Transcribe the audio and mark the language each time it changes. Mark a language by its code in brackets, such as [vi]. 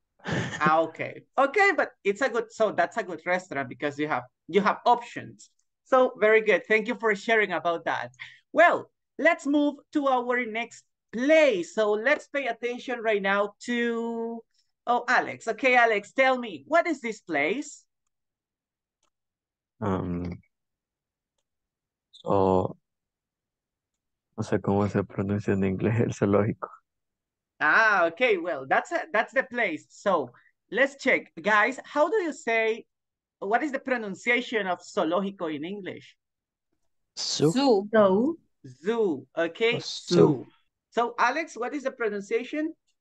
[en] Okay, but it's a good, so that's a good restaurant because you have options. So very good. Thank you for sharing about that. Well, let's move to our next play. So let's pay attention right now to, Alex. Okay, Alex, tell me, what is this place? [es] No sé cómo se pronuncia en inglés el zoológico. [en] Ah, okay, well, that's the place. So let's check. Guys, how do you say, what is the pronunciation of zoológico in English? Zoo. Zoo, okay. Zoo. So Alex, what is the pronunciation?